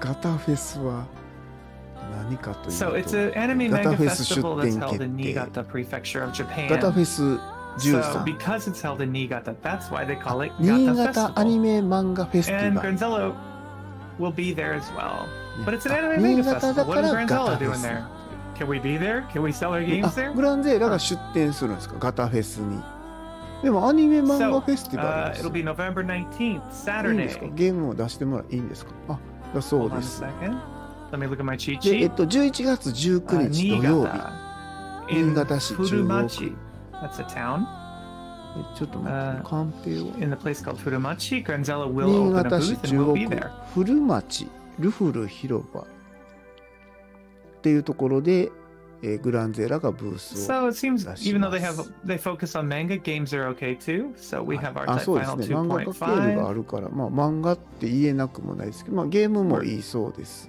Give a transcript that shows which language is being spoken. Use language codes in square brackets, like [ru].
[ja] 次はガタフェス。ガタフェス。ガタフェスは何かというと、 [en] So it's an anime manga festival that's held in Niigata Prefecture of Japan. [ja] ガタフェス13。 [en] So because it's held in Niigata, that's why they call it Gata Festival. [ja] アニメ漫画フェスティバル。 [en] And Granzella will be there as well. But it's an anime manga festival. What is Granzella doing there? Can we be there? Can we sell our games there? [ja] Granzella が出展するんですか、ガタフェスに。でもアニメ漫画フェスティバルです。 [en] So, it'll be November 19th, Saturday. [ja] いいんですか、ゲームを出してもらいいんですか。あ、だそうです。 [en] Hold on a second. Let me look at my cheat sheet. [ja] で、11月19日土曜日。新潟市中央区。 [en] That's a town. [ja] ちょっと待って、カンペを。 [en] In the place called Furumachi, Granzella will open a booth and we'll be there. [ja] 新潟市中央区、フルマチ、ルフル広場。っていうところで、グランゼラがブースを出します。 [en] So it seems even though they focus on manga, games are okay too. So we have our final 2.5. [ja] マンガかけるがあるから、まあ漫画って言えなくもないですけど、まあゲームもいいそうです。